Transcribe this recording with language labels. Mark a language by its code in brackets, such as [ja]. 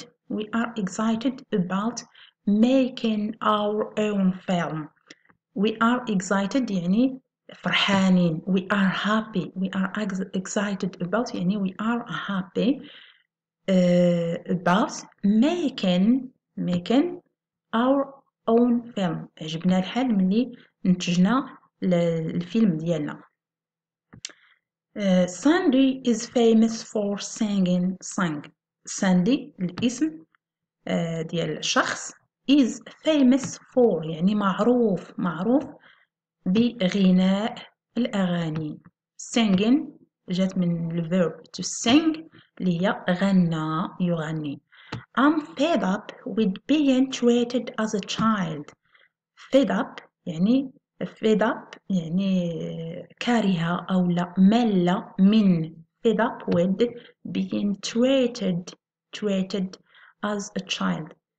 [en] We are excited about making our own film. We are excited يعني فرحانين. We are happy. We are excited about يعني we are happy about making our own film. [ar] عجبنا الحال ملي نتجنا الفيلم ديالنا. [en] Sandy is famous for singing song. [ar] Sandy الاسم ديال الشخص is famous for يعني معروف بغناء الأغاني. Singing جات من الverb to sing اللي هي غنى يغني. [en] I'm fed up with being treated as a child. [ar] Fed up يعني fed up يعني كارهة أو لا ملة من. [en] Fed up with being treated as a child.